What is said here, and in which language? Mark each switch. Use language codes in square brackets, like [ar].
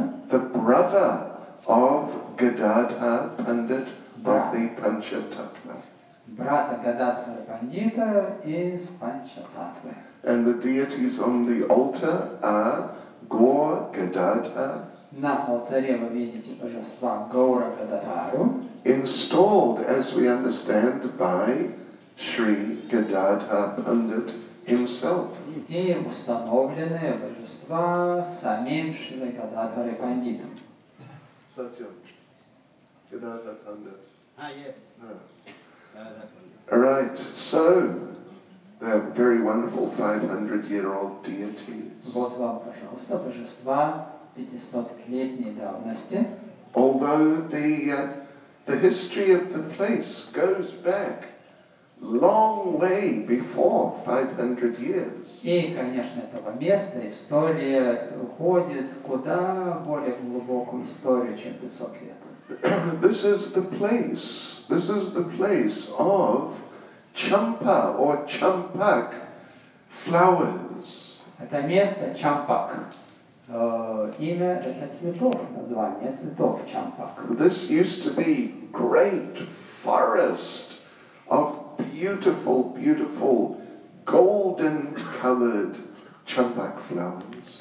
[en] The brother of Gadadhar Pandit of the Panchatattva. [ru] Брата Гададхара Пандита из Панчататвы. [en] And the deities on the altar are Gaur Gadadhar. [ru] На алтаре вы видите божества Гаура Гададхару. [en] Installed, as we understand, by Sri Gadadhar Pandit himself. [ru] И установлены божества самим Шри Гададхарой Пандитом. Сатьям, Гададхар Пандит. [en] Yes. Right, so the very wonderful 500-year-old deities. [ru] Вот вам, пожалуйста, божества 500-летней давности. [en] Although the history of the place goes back long way before 500 years. [ru] И, конечно, этого места история уходит куда более глубокую историю, чем 500 лет. [en] This is the place of champa or champak flowers. [ru] Это место champak. Имя это цветов, название цветов champak. [en] This used to be great forest of beautiful, beautiful golden colored champak flowers.